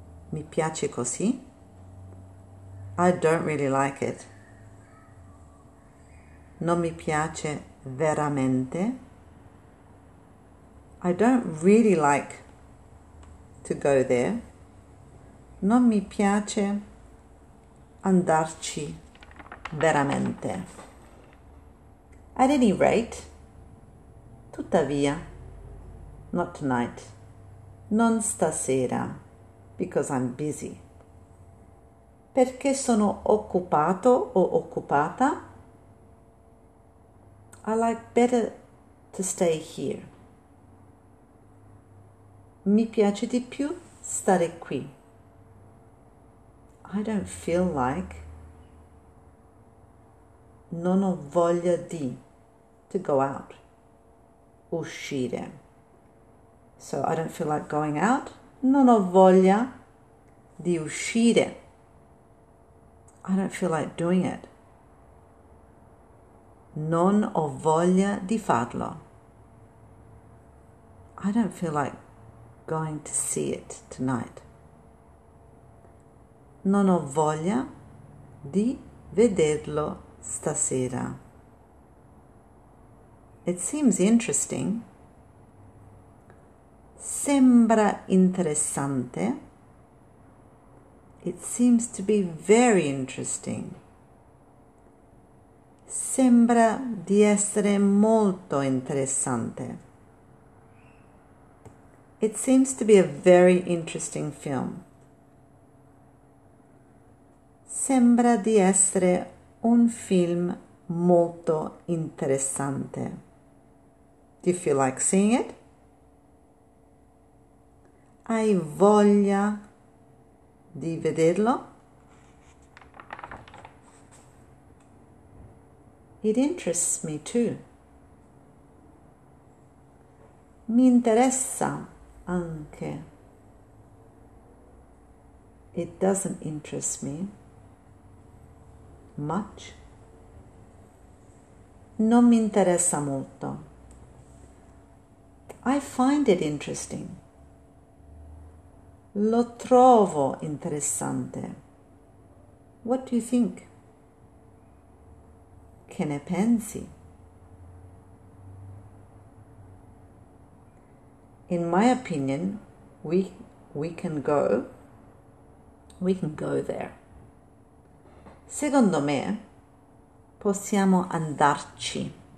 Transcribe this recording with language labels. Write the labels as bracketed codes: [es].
[it] Mi piace così. [en] I don't really like it. [it] Non mi piace veramente. [en] I don't really like to go there. [it] Non mi piace andarci veramente. [en] At any rate, tuttavia, not tonight, [it] non stasera, [en] because I'm busy. [it] Perché sono occupato o occupata? [en] I like better to stay here. [it] Mi piace di più stare qui. [en] I don't feel like. [it] Non ho voglia di. [en] To go out. [it] Uscire. [en] So I don't feel like going out. [it] Non ho voglia di uscire. [en] I don't feel like doing it. [it] Non ho voglia di farlo. [en] I don't feel like going to see it tonight. [it] Non ho voglia di vederlo stasera. [en] It seems interesting. [it] Sembra interessante. [en] It seems to be very interesting. [it] Sembra di essere molto interessante. [en] It seems to be a very interesting film. [it] Sembra di essere un film molto interessante. [en] Do you feel like seeing it? [it] Hai voglia di vederlo? [en] It interests me too. [it] Mi interessa. Anche. [en] It doesn't interest me much. [it] Non mi interessa molto. [en] I find it interesting. [it] Lo trovo interessante. [en] What do you think? [it] Che ne pensi? [en] In my opinion, we can go there. [it] Secondo me, possiamo andarci.